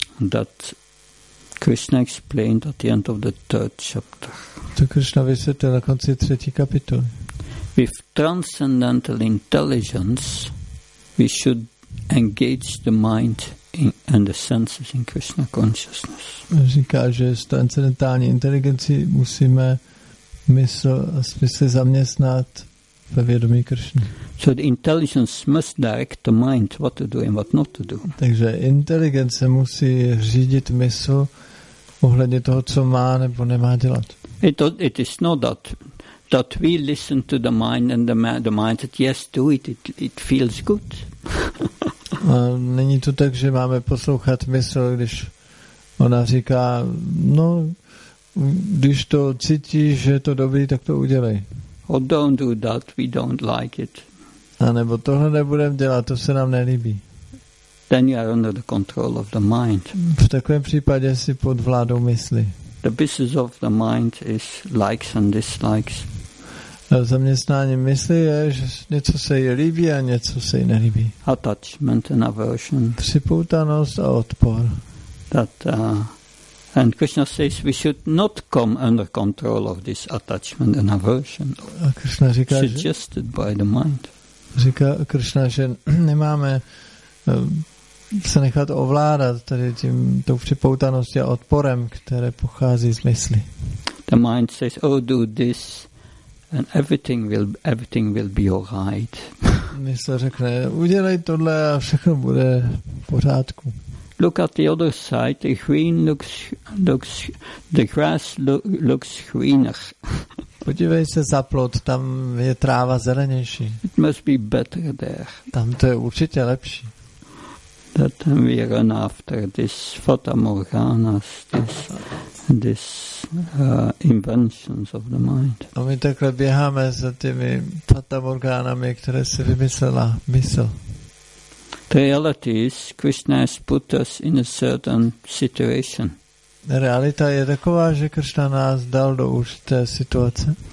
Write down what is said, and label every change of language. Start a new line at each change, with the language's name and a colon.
English: That Krishna explained at the end of the third chapter.
Czech: To Krishna vysvětlil na konci třetí kapitoly.
English: With transcendental intelligence, we should engage the mind and the senses in Krishna consciousness.
Czech: Říká, že s transcendentální inteligencí musíme mysl a smysly zaměstnat ve vědomí Krishna.
English: So the intelligence must direct the mind what to do and what not to do.
Czech: Takže inteligence musí řídit mysl ohledně toho, co má nebo nemá dělat.
English: It is not that we listen to the mind and the mind that yes, do it, it feels good.
Czech: Není to tak, že máme poslouchat mysl, když ona říká, no, když to cítíš, že je to dobrý, tak to udělej.
English: Or don't do that, we don't like it.
Czech: A nebo tohle nebudeme dělat, to se nám nelíbí.
English: Then you are under the control of the mind.
Czech: V takovém případě jsi pod vládou mysli.
English: The business of the mind is likes and dislikes.
Czech: A zaměstnání mysli je, že něco se jí líbí a něco se jí nelíbí.
English: Attachment and aversion.
Czech: Připoutanost a odpor.
English: And Krishna says we should not come under control of this attachment and aversion.
Czech: A Krishna říká,
English: suggested by the mind.
Czech: Říká Krishna, že nemáme se nechat ovládat tady tím tou připoutaností a odporem, které pochází z mysli.
English: The mind says, oh, do this, and everything will be all right.
Czech: Mysl řekne, udělej tohle a všechno bude v pořádku.
English: Look at the other side, the green looks the grass looks greener.
Czech: Podívej se za plot, tam je tráva zelenější.
English: It must be better there.
Czech: Tam to je určitě lepší.
English: That we run after this fatamorganas, this inventions of the mind.
Czech: A my takhle běháme za těmi fatamorganami, které si vymyslela mysl.
English: The reality is Krishna has put us in a certain situation.
Czech: Realita je taková, že Krishna nás dal do určité situace.